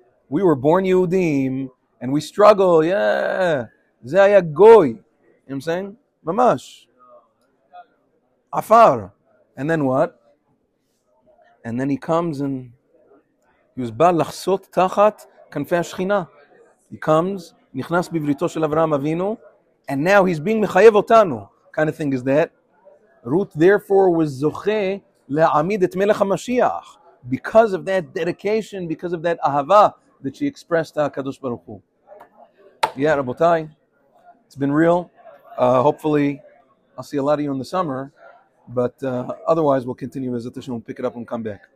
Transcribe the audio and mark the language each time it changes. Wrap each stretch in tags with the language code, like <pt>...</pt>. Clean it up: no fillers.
<en>we were born Yehudim, and we struggle, yeah.</en> <he>זה היה גוי.</he> <en>You know what I'm saying?</en> <he>ממש.</he> <en>Afar. And then what? And then he comes and he was</en> <he>בא לחסות תחת כנפי השכינה.</he> <en>He comes,</en> <he>נכנס בבריתו של אברהם אבינו,</he> <en>and now he's being</en> <he>מחייב אותנו.</he> <en>Kind of thing is that. Ruth therefore was</en> <he>זוכה להעמיד את מלך המשיח.</he> <en>Because of that dedication, because of that אהבה that she expressed to HaKadosh Baruch Hu. Yeah, Rabotai, it's been real. Hopefully, I'll see a lot of you in the summer. But otherwise, we'll continue. We'll pick it up and come back.</en>